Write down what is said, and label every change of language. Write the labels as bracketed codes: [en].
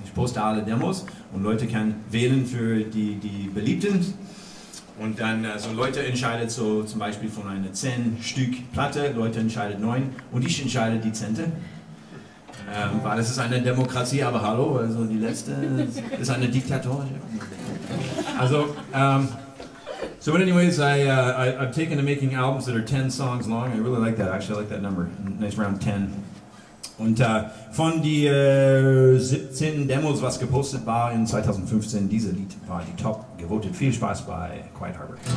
[de] Ich poste alle Demos und Leute können wählen für die beliebten. Und dann so Leute entscheidet so zum Beispiel von einer 10 Stück Platte, Leute entscheidet 9 und ich entscheide die 10. Weil es ist eine Demokratie, aber hallo, also die letzte ist eine Diktatur. [en] Also, so but anyways, I've taken to making albums that are 10 songs long. I really like that, actually, I like that number. Nice round 10. [de] Und von die 17 Demos, was gepostet war in 2015, dieser Lied war die Top gewotet. Viel Spaß bei Quiet Harbor.